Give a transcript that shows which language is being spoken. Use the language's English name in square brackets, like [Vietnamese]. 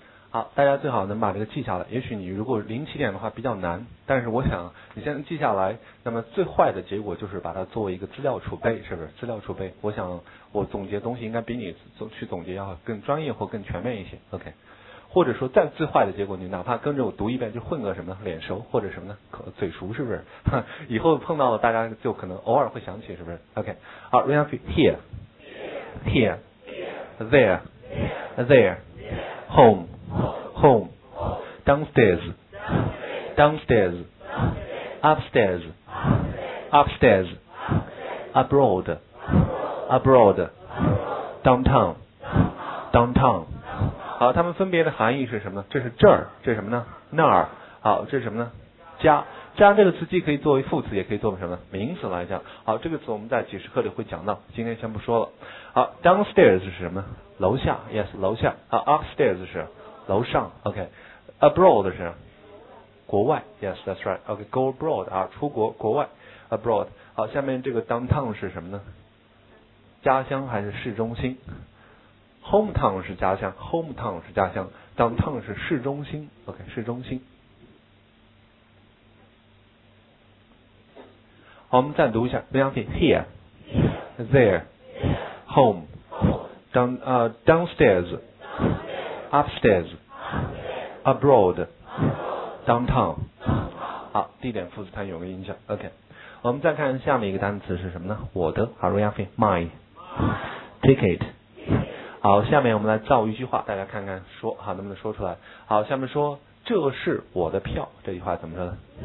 [Chinese] 好，大家最好能把这个记下来，也许你如果临起点的话比较难，但是我想你先记下来，那么最坏的结果就是把它作为一个资料储备，是不是？资料储备，我想我总结东西应该比你去总结要更专业或更全面一些。 OK， 或者说再最坏的结果，你哪怕跟着我读一遍就混个什么呢？脸熟或者什么呢？嘴熟，是不是？以后碰到了大家就可能偶尔会想起，是不是？ [English] OK， 好， Here Here Here There There HomeHome, downstairs, downstairs, upstairs, upstairs, abroad, abroad, downtown, downtown. [Chinese] 好，它们分别的含义是什么呢？这是这儿，这是什么呢？那儿。好，这是什么呢？家。家这个词既可以作为副词，也可以作为什么名词来讲。好，这个词我们在解释课里会讲到，今天先不说了。好， downstairs 是什么？楼下。yes， 楼下。好， upstairs 是楼上。 OK， abroad 是国外。 [English] yes， that's right。 [Chinese] OK， go abroad 啊，出国，国外， abroad。好，下面这个 downtown 是什么呢？家乡还是市中心？hometown 是家乡， hometown 是家乡， downtown 是市中心。OK， 市中心。好，我们再读一下，不相信。 [English] Here, there, home, down, downstairs, upstairs, abroad, downtown. [Chinese] 好，地点副词它有个影响。OK， 我们再看下面一个单词是什么呢？我的。好，不相信。 [English] My ticket. [Chinese] 好，下面我们来造一句话，大家看看说好能不能说出来。好，下面说，这是我的票，这句话怎么说呢？